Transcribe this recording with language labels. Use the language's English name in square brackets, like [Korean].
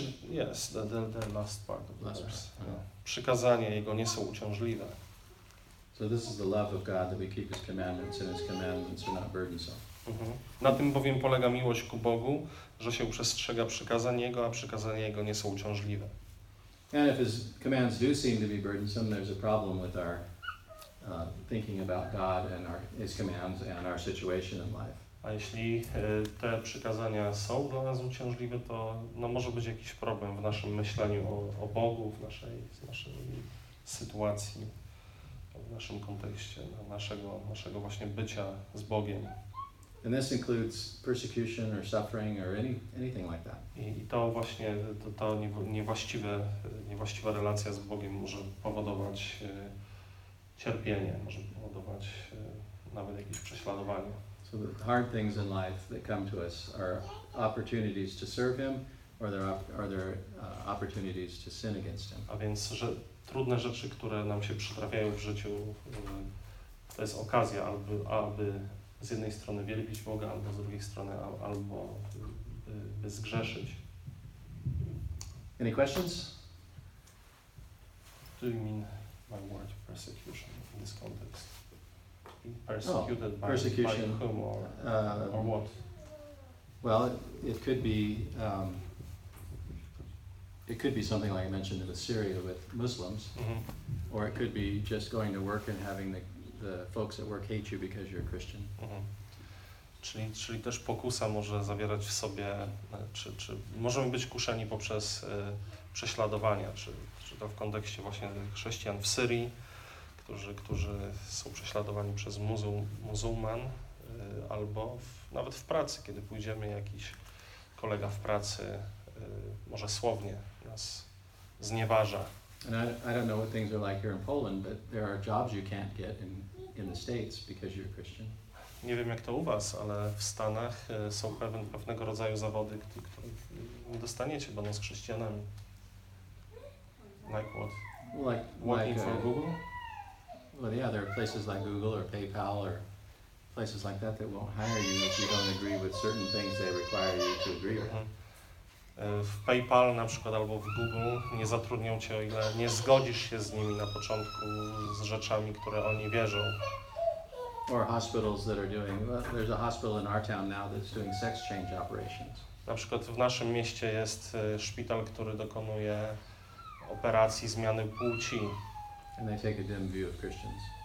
[English] Yes, the last part of the verse. [Polish] Przykazania jego nie są uciążliwe. [English] So this is the love of God, that we keep his commandments, and his commandments are not burdensome. [Polish] Na tym bowiem polega miłość ku Bogu, że się przestrzega przykazań Jego, a przykazania Jego nie są uciążliwe. [English] And if his commands do seem to be burdensome, there's a problem with our thinking about God and his commands and our situation in life. [Polish] A jeśli te przykazania są dla nas uciążliwe, to może być jakiś problem w naszym myśleniu o Bogu, w naszej sytuacji, w naszym kontekście, naszego właśnie bycia z Bogiem. [English] And this includes persecution or suffering or anything like that. [Polish] I to właśnie to niewłaściwa relacja z Bogiem może powodować cierpienie, może powodować nawet jakieś prześladowanie. [English] So the hard things in life that come to us are opportunities to serve him, or are there opportunities to sin against him. [Polish] A więc że trudne rzeczy, które nam się przytrafiają w życiu, to jest okazja, aby z jednej strony wielbić Boga, albo z drugiej strony, albo by zgrzeszyć. [English] Any questions? Do you mean by word persecution in this context? persecuted by persecution, by whom or what? Well, it could be something like I mentioned in Assyria with Muslims, mm-hmm. or it could be just going to work and having the folks at work hate you because you're a Christian. Mm-hmm. [Polish] Czyli też pokusa może zawierać w sobie, czy możemy być kuszeni poprzez prześladowania, czy to w kontekście właśnie chrześcijan w Syrii, którzy są prześladowani przez muzułman, albo nawet w pracy, kiedy pójdziemy, jakiś kolega w pracy może słownie nas znieważa. [English] And I don't know what things are like here in Poland, but there are jobs you can't get in the States because you're Christian. [Polish] Nie wiem jak to u was, ale w Stanach są pewnego rodzaju zawody, które nie dostaniecie, będąc chrześcijanami. [English] Like what? Like working like for Google? Well, yeah, there are places like Google or PayPal or places like that that won't hire you if you don't agree with certain things they require you to agree with. [Polish] W PayPal na przykład albo w Google nie zatrudnią cię, o ile nie zgodzisz się z nimi na początku z rzeczami, które oni wierzą. [English] Or hospitals that are doing, there's a hospital in our town now that's doing sex change operations. [Polish] Na przykład w naszym mieście jest szpital, który dokonuje operacji zmiany płci. [English] And they take a dim view of Christians.